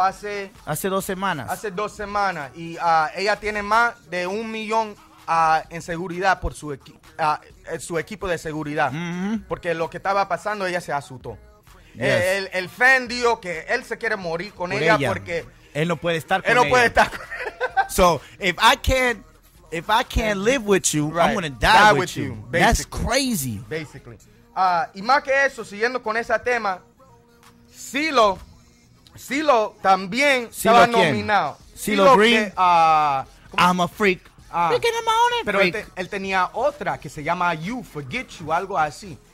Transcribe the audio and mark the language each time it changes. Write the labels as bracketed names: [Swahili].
[Spanish] Hace dos semanas. Y ella tiene más de 1,000,000 en seguridad por su equipo. Su equipo de seguridad. Mm-hmm. Porque lo que estaba pasando, ella se asustó. [English] Yes. [Spanish] El fan dijo que él se quiere morir con ella porque él no puede estar con ella. [English] So, if I can't live with you, right, I'm gonna die with you. That's crazy. Basically. [Spanish] Y más que eso, siguiendo con ese tema, CeeLo también estaba nominado. [English] CeeLo Green, I'm a freak. [Spanish] Pero él tenía otra que se llama You Forget You, algo así.